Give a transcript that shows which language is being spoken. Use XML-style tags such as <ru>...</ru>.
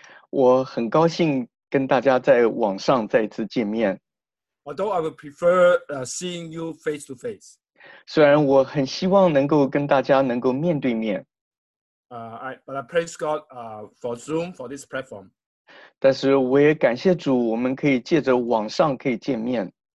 <zh>我很高兴跟大家在网上再次见面。</zh> <en>Although I would prefer seeing you face to face.</en> <zh>虽然我很希望能够跟大家能够面对面。</zh> <en>But I praise God for Zoom for this platform.</en> <zh>但是我也感谢主，我们可以借着网上可以见面。</zh>